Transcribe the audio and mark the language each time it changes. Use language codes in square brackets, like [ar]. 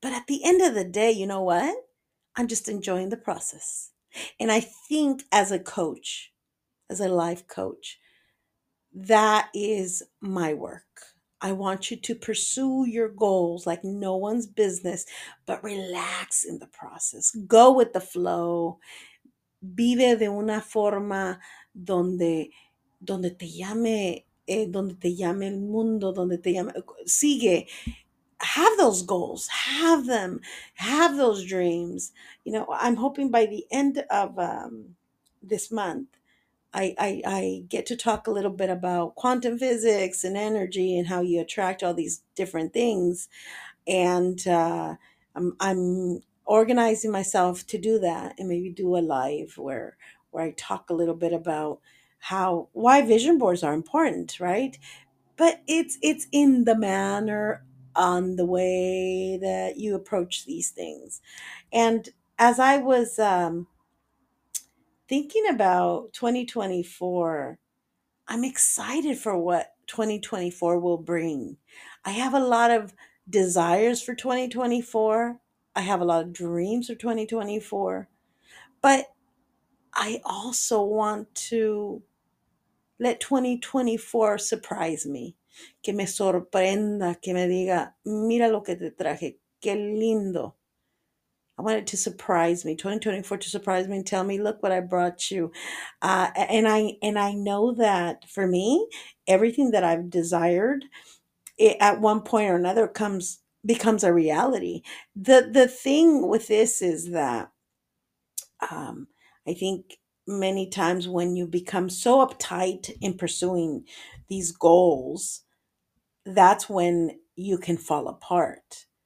[en] But at the end of the day, you know what? I'm just enjoying the process. And I think as a coach, as a life coach, That is my work. I want you to pursue your goals like no one's business, but relax in the process. Go with the flow. [es] Vive de una forma donde te llame el mundo, donde te llame, sigue. [en] Have those goals, have them, have those dreams. You know, I'm hoping by the end of this month, I get to talk a little bit about quantum physics and energy and how you attract all these different things. And I'm organizing myself to do that and maybe do a live where I talk a little bit about why vision boards are important, right? But it's in the manner on the way that you approach these things. And as I was thinking about 2024, I'm excited for what 2024 will bring. I have a lot of desires for 2024. I have a lot of dreams for 2024. But I also want to let 2024 surprise me. [es] Que me sorprenda, que me diga, mira lo que te traje, qué lindo. [en] I want it to surprise me, 2024 to surprise me and tell me, look what I brought you. And I know that for me, everything that I've desired, it, at one point or another, becomes a reality. The thing with this is that I think many times when you become so uptight in pursuing these goals, that's when you can fall apart.